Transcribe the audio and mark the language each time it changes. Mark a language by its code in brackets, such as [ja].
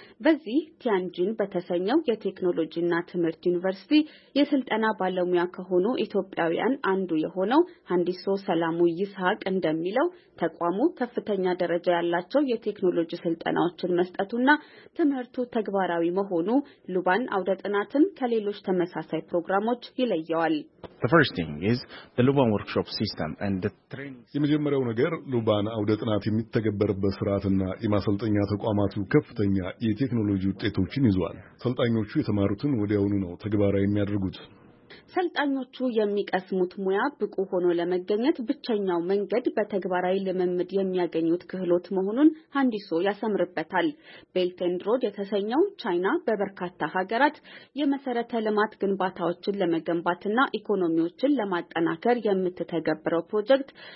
[am] በዚህ ቲያንጂን በተሰኘው የቴክኖሎጂና ትምህርት ዩኒቨርሲቲ የስልጠና ባለሙያ ከሆኑ ኢትዮጵያውያን አንዱ የሆነው ሃንዲሶ ሰላሙ ይስሐቅ እንደሚለው ተቋሙ ከፍተኛ ደረጃ ያላቸው የቴክኖሎጂ ስልጠናዎችን መስጠቱና ትምህርቱ ተግባራዊ መሆኑ ሉባን አውደጥናትን ከሌሎች ተመሳሳይ ፕሮግራሞች ይለየዋል። [en] The first thing is the Luban workshop system and the training. [am] የመጀመሪያው ነገር ሉባን አውደጥናት የሚተገበርበት ፍራትና የማሰልጠኛ ተቋማቱ ከፍተኛ የቴክኖሎጂ ውጤቶችን ይዟል። ሰልጣኞቹ የተማሩትን ወዲያውኑ ነው ተግባራዊ የሚያደርጉት። ሰልጣኞቹ የሚቀስሙት ሙያ ብቁ ሆኖ ለመገኘት ብቻኛው መንገድ በተግባራዊ ልምምድ የሚያገኙት ክህሎት መሆኑን ሃንዲሶ ያሰምርበታል። ቤልቴንድሮድ የተሰኘው ቻይና በበርካታ ሀገራት የመሰረተ ልማት ግንባታዎችን ለመገንባትና ኢኮኖሚዎችን ለማጠናከር የምትተገብረው ፕሮጀክት